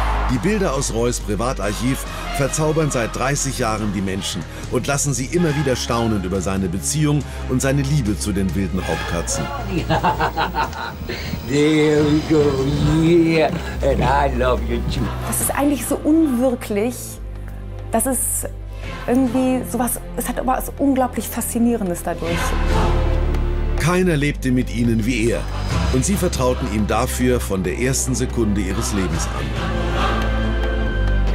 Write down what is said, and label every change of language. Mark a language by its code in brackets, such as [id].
[de] Die Bilder aus Roys Privatarchiv verzaubern seit 30 Jahren die Menschen und lassen sie immer wieder staunend über seine Beziehung und seine Liebe zu den wilden Raubkatzen. [en] There we go, yeah, and I love you too. [de] Das ist eigentlich so unwirklich, das ist irgendwie sowas, es hat aber was unglaublich Faszinierendes dadurch. Keiner lebte mit ihnen wie er. Und sie vertrauten ihm dafür von der ersten Sekunde ihres Lebens an.